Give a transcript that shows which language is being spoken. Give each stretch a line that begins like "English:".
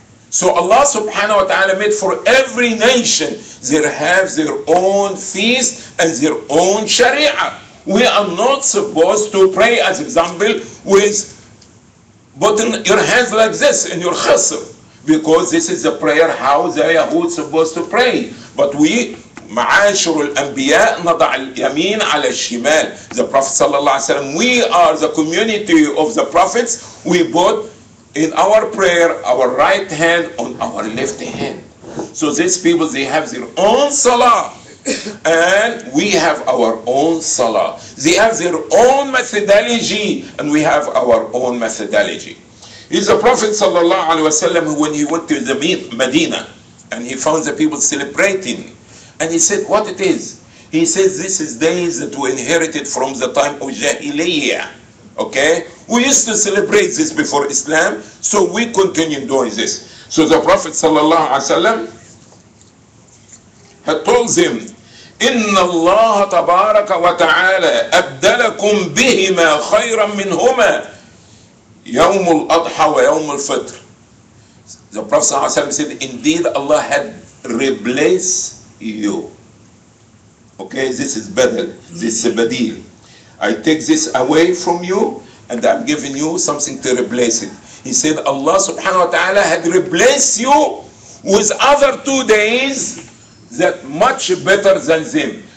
English: So Allah subhanahu wa ta'ala made for every nation, they have their own feast and their own Sharia. We are not supposed to pray, as example, with putting your hands like this in your khasr, because this is the prayer how the Yahud is supposed to pray. But we,
Arabic: معاشر الأنبياء نضع اليمين على الشمال.
English: The Prophet sallallahu alaihi wasallam, we are the community of the prophets. We put In our prayer, our right hand on our left hand. So these people, they have their own salah. And we have our own salah. They have their own methodology, and we have our own methodology. He's the Prophet sallallahu alaihi wasallam, when he went to the Medina, and he found the people celebrating. And he said, what it is? He says, this is days that we inherited from the time of Jahiliyyah. Okay? We used to celebrate this before Islam, so we continue doing this. So the Prophet sallallahu alaihi wasallam had told them,
Arabic: إِنَّ اللَّهَ تَبَارَكَ وَتَعَالَى أَبْدَلَكُمْ بِهِمَا خَيْرًا مِنْهُمَا يَوْمُ الْأَضْحَى وَيَوْمُ الْفِطْرِ.
English: The Prophet sallallahu alaihi wasallam said, indeed Allah had replaced you. Okay, this is better, this is badil. I take this away from you, and I'm giving you something to replace it. He said, Allah subhanahu wa ta'ala had replaced you with other 2 days that much better than them.